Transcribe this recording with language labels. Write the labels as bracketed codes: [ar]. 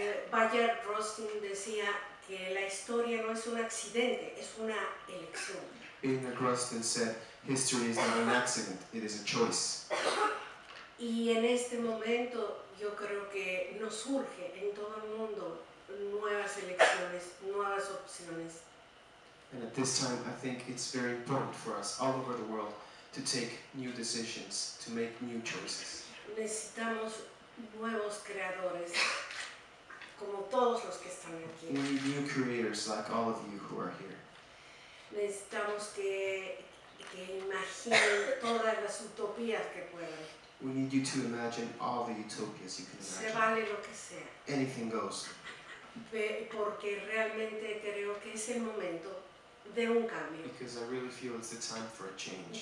[es] Bayard Rustin decía que la historia no es un accidente, es una elección. [en] In the Grustin said, history is not an accident, it is a choice. [es] Y en este momento, yo creo que nos surge en todo el mundo nuevas elecciones, nuevas opciones. [en] And at this time, I think it's very important for us all over the world to take new decisions, to make new choices. [es] Necesitamos nuevos creadores. Como todos los que están aquí. [en] We need new creators like all of you who are here. [es] Necesitamos que imaginen todas las utopías que puedan. [en] We need you to imagine all the utopias you can imagine. [es] Se vale lo que sea. [en] Anything goes. [es] Porque realmente creo que es el momento de un cambio. [en] Because I really feel it's the time for a change.